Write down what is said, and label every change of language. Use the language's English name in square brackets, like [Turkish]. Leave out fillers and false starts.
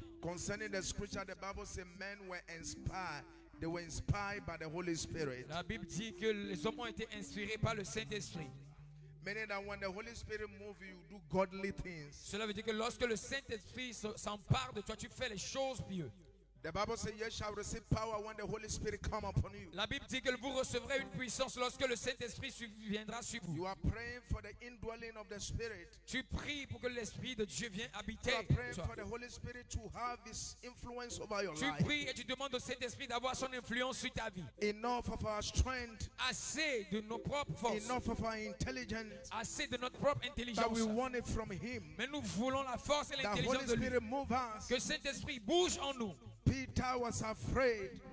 [English] Concerning the scripture, the Bible says men were inspired. They were inspired by the Holy Spirit. [French] La Bible dit que les hommes ont été inspirés par le Saint-Esprit. [English] Meaning that when the Holy Spirit moves you, do godly things. [French] Cela veut dire que lorsque le Saint-Esprit s'empare de toi, tu fais les choses mieux. [English] The Bible says you shall receive power when the Holy Spirit comes upon you. [French] La Bible dit que vous recevrez une puissance lorsque le Saint-Esprit viendra sur vous. [English] You are praying for the indwelling of the Spirit. [French] Tu pries pour que l'Esprit de Dieu vienne habiter. [English] You are praying for the Holy Spirit to have his influence over your life. [French] Tu pries et tu demandes au Saint-Esprit d'avoir son influence sur ta vie. [English] Enough of our strength. [French] Assez de nos propres forces. [English] Enough of our intelligence. [French] Assez de notre propre intelligence. [English] But we want it from him. [French] Mais nous voulons la force et l'intelligence de lui. [English] That Holy Spirit move us. [French] Que Saint-Esprit bouge en nous. [English] Peter was afraid.